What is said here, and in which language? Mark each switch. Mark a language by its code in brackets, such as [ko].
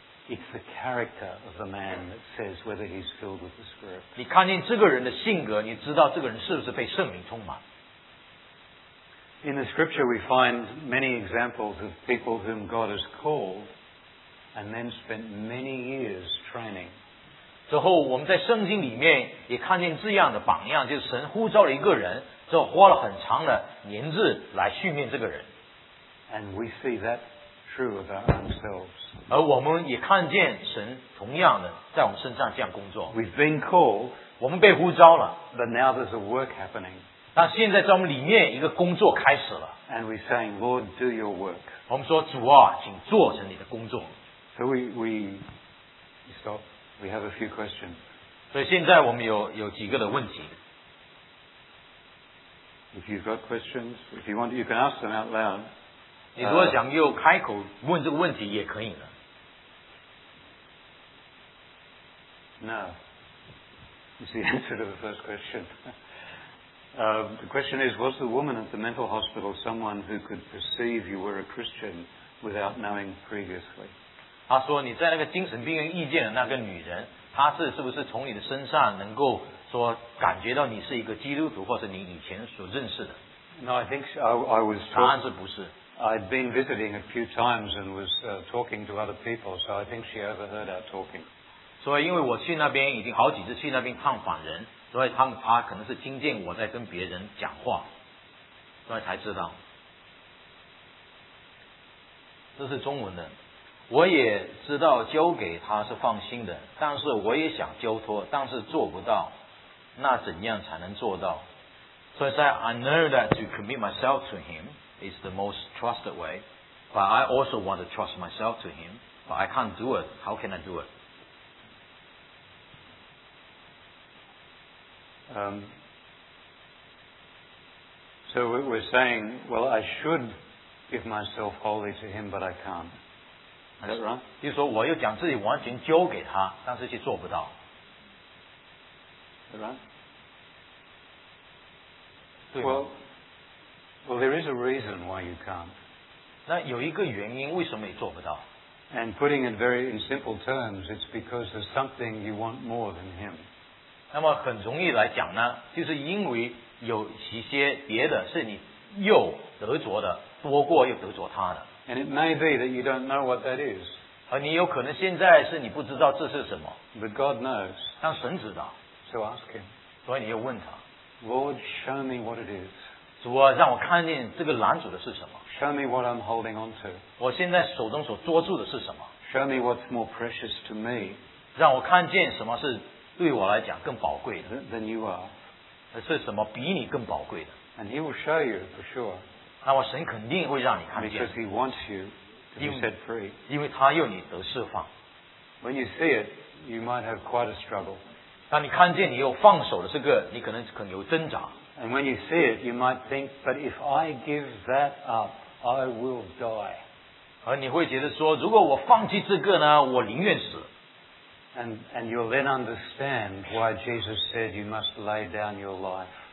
[en] It's the character of the man that says whether he's filled with the Spirit. [zh] 你看见这个人的性格，你知道这个人是不是被圣灵充满。 [en] In the scripture, we find many examples of people whom God has called and then spent many years training. [zh] 之后我们在圣经里面也看见这样的榜样，就是神呼召了一个人，之后花了很长的年日来训练这个人。 [en] And we see that true of our own selves. [zh] 而我们也看见神同样的在我们身上这样工作。 [en] We've been called, [zh] 我们被呼召了。 [en] But now there's a work happening. [zh] 但现在在我们里面一个工作开始了。 [en] And we're saying, Lord, do your work. [zh] 我们说主啊，请做成你的工作。 [en] So we stop. We have a few questions. [zh] 所以现在我们有几个的问题。 [en] If you've got questions, if you want, you can ask them out loud. [zh] 你如果想又开口问这个问题也可以的。 [en] No. It's the answer to the first question. The question is, was the woman at the mental hospital someone who could perceive you were a Christian without knowing previously. [zh] 他说你在那个精神病院遇见的那个女人, 她是不是从你的身上能够说感觉到你是一个基督徒或者你以前所认识的? [en] No, I think I was talking. [zh] 答案是不是? [en] I'd been visiting a few times and was talking to other people, so I think she overheard our talking. [zh] 所以因为我去那边已经好几次去那边探访人, 所以她可能是听见我在跟别人讲话, 所以才知道。这是中文的。我也知道交给他是放心的, 但是我也想交托, 但是做不到, 那怎样才能做到? [en] So I said, I know that to commit myself to him is the most trusted way, but I also want to trust myself to him, but I can't do it. How can I do it? So we're saying, well, I should give myself wholly to him, but I can't. Is that right? Is that right? Well, there is a reason why you can't. And putting it very in simple terms, it's because there's something you want more than him. [zh] 那么很容易来讲呢, 就是因为有一些别的是你又得着的, 多过又得着他的。 [en] And it may be that you don't know what that is. [zh] 而你有可能现在是你不知道这是什么, [en] but God knows. [zh] 但神知道, [en] so ask him. [zh] 所以你又问他, [en] Lord, show me what it is. [zh] 主啊, 让我看见这个拦阻的是什么? [en] Show me what I'm holding on to. [zh] 我现在手中所捉住的是什么? [en] Show me what's more precious to me. [zh] 让我看见什么是 对我来讲更宝贵的, [en] than you are. [zh] 是什么比你更宝贵的? [en] And he will show you for sure. [zh] 那么神肯定会让你看见, [en] because he wants you to be set free. [zh] 因为他要你得释放。 [en] When you see it, you might have quite a struggle. [zh] 当你看见你又放手了这个, 你可能有挣扎。 [en] And when you see it, you might think, but if I give that up, I will die. [zh] 而你会觉得说, 如果我放弃这个呢, 我宁愿死。 [en] And you'll then understand why Jesus said you must lay down your life.